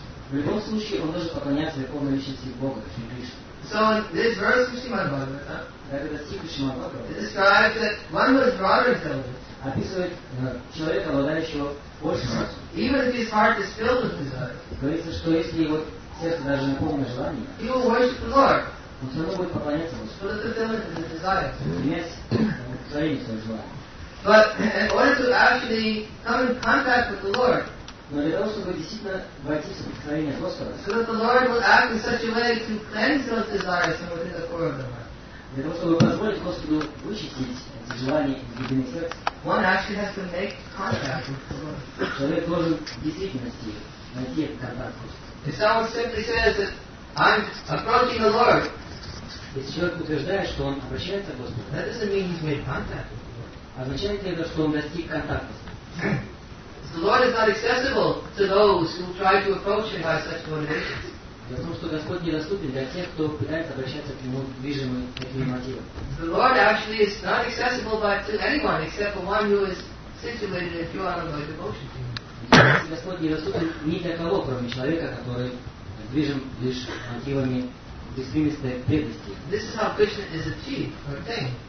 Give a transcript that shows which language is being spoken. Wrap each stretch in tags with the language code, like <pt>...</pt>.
<ru>В любом случае, он должен поклоняться Верховной Личности Бога, Кришне.</ru> <en>So in this verse of Śrīmad-Bhāgavatam, it describes that one who is broader intelligence,</en> <ru>описывает человека, обладающего большим разумом,</ru> <en>even if his heart is filled with desire,</en> <ru>говорится, что если его сердце даже наполнено желанием,</ru> <en>he will worship the Lord.</en> <ru>Он все равно будет поклоняться Богу.</ru> <en>But it's fulfilling the desire.</en> <ru>Принять своим своим желанием.</ru> <en>But in order to actually come in contact with the Lord,</en> <ru>но для того, чтобы действительно войти в соприкосновение Господа,</ru> <en>so that the Lord will act in such a way to cleanse those desires from within the core of the heart,</en> <ru>для того, чтобы позволить Господу вычистить эти желания из глубины сердца,</ru> <en>one actually has to make contact with the Lord.</en> <ru>Человек должен в действительности найти этот контакт с Господом.</ru> <en>If someone simply says that I'm approaching the Lord,</en> <ru>если человек утверждает, что он обращается к Господу,</ru> <en>that doesn't mean he's made contact with the Lord.</en> <ru>Означает ли это, что он достиг контакта с Господом?</ru> <en>The Lord is not accessible to those who try to approach Him by such motivations. The Lord actually is not accessible to anyone except for one who is situated in pure unalloyed devotion to Him.</en> <ru>Кроме человека, который движим лишь мотивами беспримесной преданности.</ru> <en>This is how Krishna is achieved or attained.</en>